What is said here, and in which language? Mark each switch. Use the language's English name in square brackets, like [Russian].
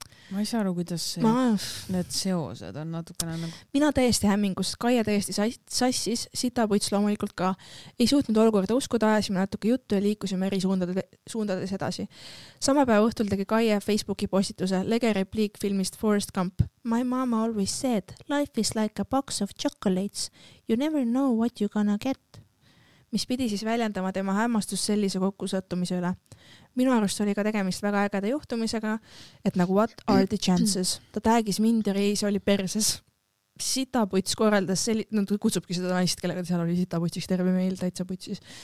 [Estonian] Ma ei saa aru, kuidas see, need seosed on natukene nagu... Mina täiesti hämmingus, Kaie täiesti sassis, Sitaputs loomulikult ka. Ei suutnud olukorda uskuda, ajasime natuke juttu ja liikusime eri suundades edasi. Sama päeva õhtul tegi Kaie Facebooki postituse lege repliik filmist Forrest Gump. [English] My mama always said, life is like a box of chocolates. You never know what you gonna get. [Estonian] Mis pidi siis väljendama tema hämmastus sellise kokkusõttumise üle. Minu arust oli ka tegemist väga ägeda juhtumisega, et nagu [English] what are the chances? [Estonian] Ta tägis mind ja reis oli perses. Sitaputs korraldas sellise, no ta kutsubki seda naist, kellega seal oli Sitaputsis, terve meil täitsa putsis.